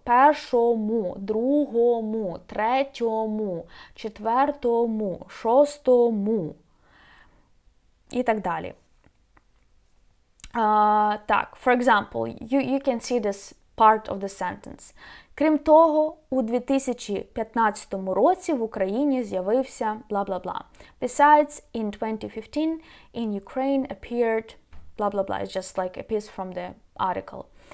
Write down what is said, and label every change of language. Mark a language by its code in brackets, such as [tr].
[uk] Першому, другому, третьому, четвертому, шостому і так далі. [en] Так, for example, you can see this part of the sentence. [uk] Крім того, у 2015 році в Україні з'явився бла-бла-бла. [en] Besides, in 2015, in Ukraine appeared бла-бла-бла. It's just like a piece from the article.